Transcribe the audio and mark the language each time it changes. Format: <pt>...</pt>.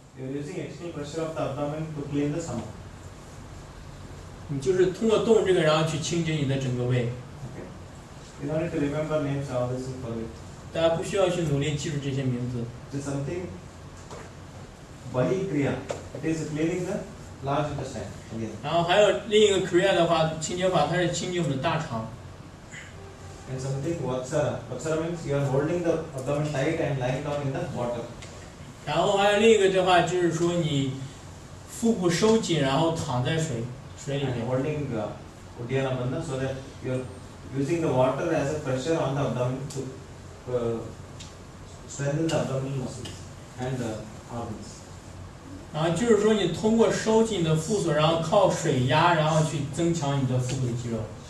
<en>You're using external pressure of the abdomen to clean the stomach.</en> <zh>你就是通过动这个，然后去清洁你的整个胃。</zh> <en>Okay. You don't need to remember names of this for it.</en> <zh>大家不需要去努力记住这些名字。</zh> <en>It's something body kriya. It is cleaning the large intestine. Okay.</en> <zh>然后还有另一个 kriya 的话，清洁法，它是清洁我们的大肠。</zh> <en>And something vatsara. Vatsara means you are holding the abdomen tight and lying down in the water.</en> <zh>然后还有另一个的话，就是说你。腹部收紧，然后躺在水里面。</zh> <en>Holding Uddiyana Bandha so that you're using the water as a pressure on the abdomen to strengthen the abdominal muscles and the arms.</en> <zh>然后就是说你通过收紧的腹锁，然后靠水压，然后去增强你的腹部的肌肉。</zh>